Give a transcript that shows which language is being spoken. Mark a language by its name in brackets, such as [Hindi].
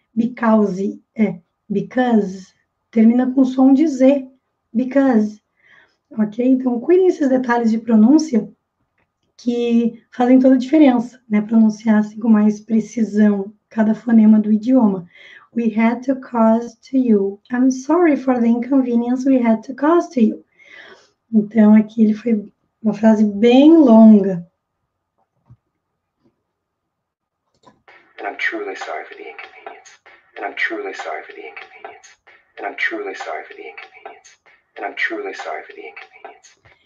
[Portuguese] Because, é. Because, termina com o som de Z. Because. Ok? Então, cuidem esses detalhes de pronúncia que fazem toda a diferença, né? Pronunciar assim com mais precisão cada fonema do idioma. [English] We had to cause to you. I'm sorry for the inconvenience we had to cause to you. [Portuguese] Então, aqui ele foi uma frase bem longa. [English] And I'm truly sorry for the inconvenience. And I'm truly sorry for the inconvenience. And I'm truly sorry for the inconvenience.